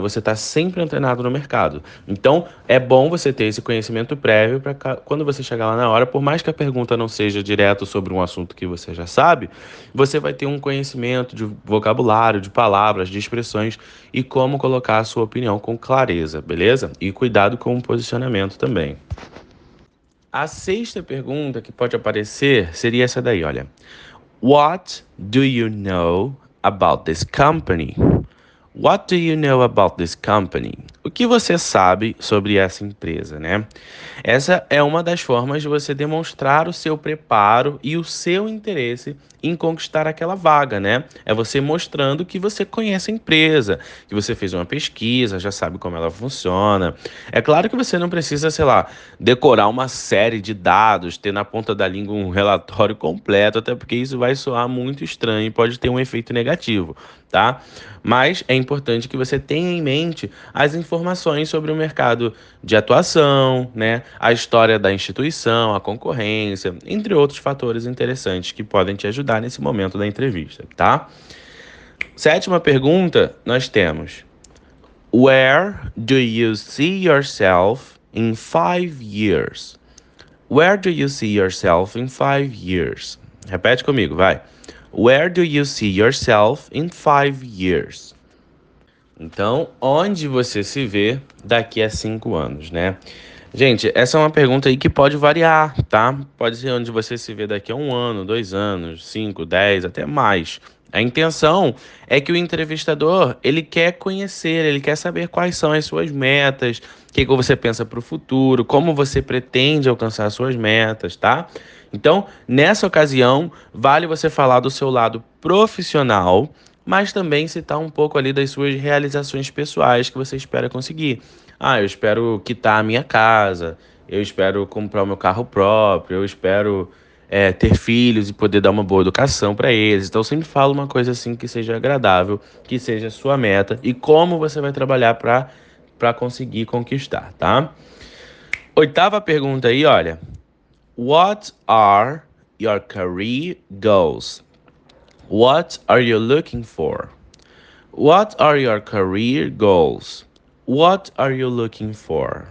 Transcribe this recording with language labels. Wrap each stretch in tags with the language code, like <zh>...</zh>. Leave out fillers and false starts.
<pt>Você está sempre antenado no mercado. Então, é bom você ter esse conhecimento prévio para quando você chegar lá na hora, por mais que a pergunta não seja direto sobre um assunto que você já sabe, você vai ter um conhecimento de vocabulário, de palavras, de expressões e como colocar a sua opinião com clareza, beleza? E cuidado com o posicionamento também. A sexta pergunta que pode aparecer seria essa daí, olha.</pt> <en>What do you know about this company? What do you know about this company?</en> <pt>O que você sabe sobre essa empresa, né? Essa é uma das formas de você demonstrar o seu preparo e o seu interesse em conquistar aquela vaga, né? É você mostrando que você conhece a empresa, que você fez uma pesquisa, já sabe como ela funciona. É claro que você não precisa, sei lá, decorar uma série de dados, ter na ponta da língua um relatório completo, até porque isso vai soar muito estranho e pode ter um efeito negativo, tá? Mas é importante que você tenha em mente as informações sobre o mercado de atuação, né? A história da instituição, a concorrência, entre outros fatores interessantes que podem te ajudar nesse momento da entrevista, tá? Sétima pergunta, nós temos:</pt> <en>Where do you see yourself in 5 years? Where do you see yourself in 5 years?</en> <pt>Repete comigo, vai.</pt> <en>Where do you see yourself in 5 years?</en> <pt>Então, onde você se vê daqui a 5 anos, né? Gente, essa é uma pergunta aí que pode variar, tá? Pode ser onde você se vê daqui a 1 ano, 2 anos, 5, 10, até mais. A intenção é que o entrevistador, ele quer conhecer, ele quer saber quais são as suas metas, o que você pensa para o futuro, como você pretende alcançar as suas metas, tá? Então, nessa ocasião, vale você falar do seu lado profissional, mas também citar um pouco ali das suas realizações pessoais que você espera conseguir. Ah, eu espero quitar a minha casa, eu espero comprar o meu carro próprio, eu espero ter filhos e poder dar uma boa educação para eles. Então, sempre fala uma coisa assim que seja agradável, que seja a sua meta e como você vai trabalhar para conseguir conquistar, tá? Oitava pergunta aí, olha.</pt> <en>What are your career goals? What are you looking for? What are your career goals? What are you looking for?</en>